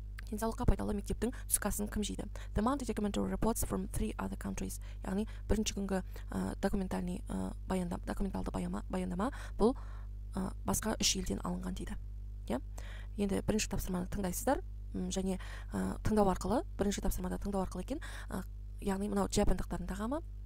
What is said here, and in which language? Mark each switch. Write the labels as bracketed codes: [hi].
[kk] Денсаулыққа пайдалы мектептің түскі асын кім жейді? [en] The Monday documentary reports from three other countries. [kk] Яғни бірінші күнгі документалды баяндама бұл басқа үш елден алынған дейді. Енді бірінші тапсырманы тыңдайсыздар, және тыңдау арқылы, бірінші тапсырманы тыңдау арқылы екен, яғни мынау жапондықтардың тағамы.